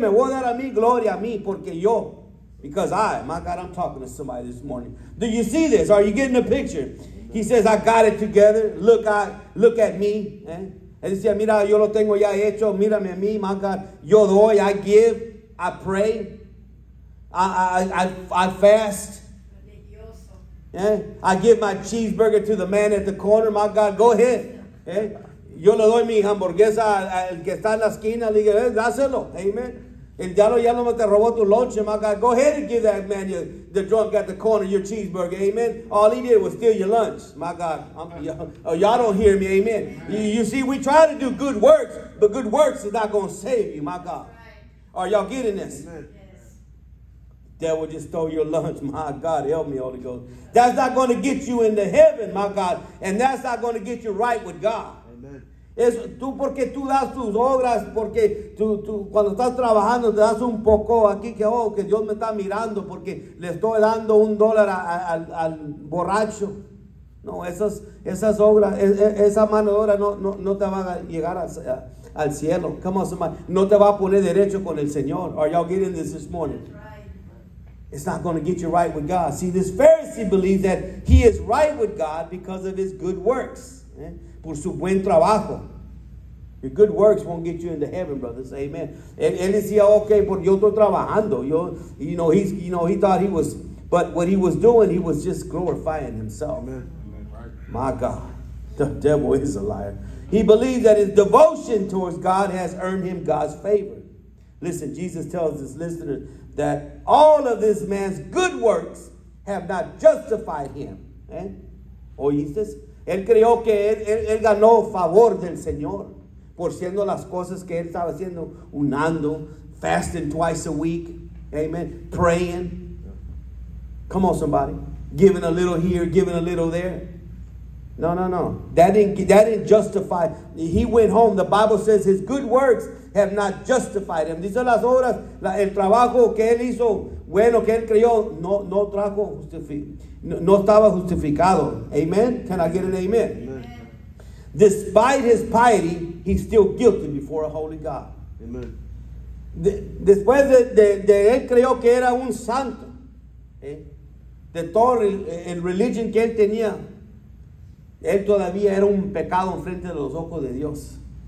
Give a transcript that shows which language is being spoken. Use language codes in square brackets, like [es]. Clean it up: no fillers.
[es] Me voy a dar a mí, gloria a mí, porque yo. [en] Because I, my God, I'm talking to somebody this morning. Do you see this? Are you getting the picture? He says, I got it together. Look at me. [es] Él dice, mira, yo lo tengo ya hecho. Mírame a mí, [en] my God. [es] Yo doy, [en] I give, I pray, I fast. Yeah, I give my cheeseburger to the man at the corner. My God, go ahead. Yeah. [es] Yo le doy mi hamburguesa al que está en la esquina. Le digo, dáselo. Amen. El diablo ya no me te robó tu lunch. [en] My God, go ahead and give that man, the drunk at the corner, your cheeseburger. Amen. All he did was steal your lunch. My God, y'all don't hear me. Amen. You see, we try to do good works, but good works is not going to save you. My God. Right. Are y'all getting this? Amen. That will just throw your lunch. My God, help me, Holy Ghost. That's not going to get you into heaven, my God. And that's not going to get you right with God. Amen. [es] Es tú porque tú das tus obras, porque tú cuando estás trabajando te das un poco aquí que Dios me está mirando porque le estoy dando un dólar al borracho. No, esas obras, esa mano de obra no te van a llegar al cielo. [en] Come on, somebody. [es] No te va a poner derecho con el Señor. [en] Are y'all getting this morning? It's not going to get you right with God. See, this Pharisee believes that he is right with God because of his good works. [es] Por su buen trabajo. [en] Your good works won't get you into heaven, brothers. Amen. [es] Él decía, okay, porque yo estoy trabajando. [en] He thought he was, but what he was doing, he was just glorifying himself. Amen. My God, the devil is a liar. He believes that his devotion towards God has earned him God's favor. Listen, Jesus tells his listeners that all of this man's good works have not justified him. [es] ¿Oíste? Él creyó que él ganó favor del Señor por siendo las cosas que él estaba haciendo, unando, [en] fasting twice a week, [es] amen, praying. [en] Come on, somebody. Giving a little here, giving a little there. No. That didn't justify. He went home. The Bible says his good works have not justified him. [es] Dice las obras, el trabajo que él hizo, bueno, que él creyó, no trajo no estaba justificado. [en] Amen? Can I get an amen? Amen? Despite his piety, he's still guilty before a holy God. Amen. [es] Después de él creyó que era un santo, de todo el religión que él tenía, él todavía era un pecado en frente de los ojos de Dios.